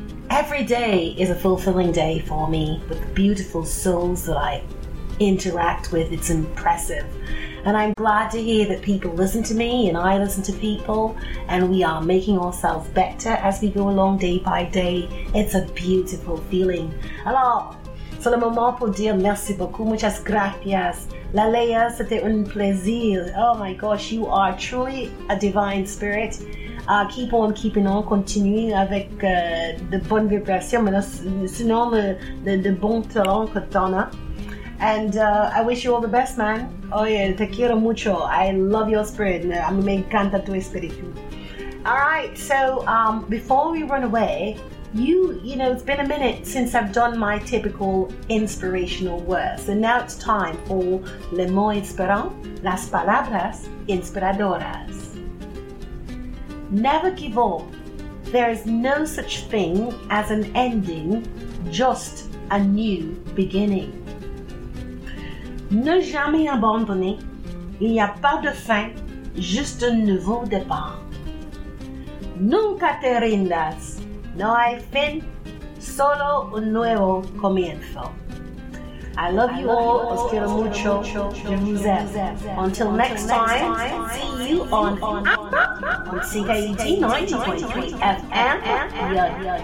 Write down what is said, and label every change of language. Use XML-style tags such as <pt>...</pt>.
<en>Every day is a fulfilling day for me with the beautiful souls that I interact with. It's impressive. And I'm glad to hear that people listen to me and I listen to people and we are making ourselves better as we go along day by day. It's a beautiful feeling.</en> <fr>Alors, sur le moment pour dire merci beaucoup,</fr> <es>muchas gracias.</es> <fr>La Leia, c'était un plaisir.</fr> <en>Oh my gosh, you are truly a divine spirit. Keep on keeping on,</en> <fr>continue avec de bonnes vibrations, mais là, sinon le bon talent que t'en as.</fr> <en>And I wish you all the best, man.</en> <es>Oye, te quiero mucho.</es> <en>I love your spirit.</en> <es>A mí me encanta tu espíritu.</es> <en>All right, so before we run away, you know, it's been a minute since I've done my typical inspirational words. And now it's time for</en> <fr>Le Mot Inspirant,</fr> <es>Las Palabras Inspiradoras.</es> <en>Never give up. There is no such thing as an ending, just a new beginning.</en> <fr>Ne jamais abandonner. Il n'y a pas de fin, juste un nouveau départ.</fr> <es>Nunca te rindas. No hay fin, solo un nuevo comienzo.</es> <en>I love you all.</en> <es>Os quiero mucho.</es> <fr>Je vous aime.</fr> <en>Until next time, see you on CKUT 90.3 FM.</en>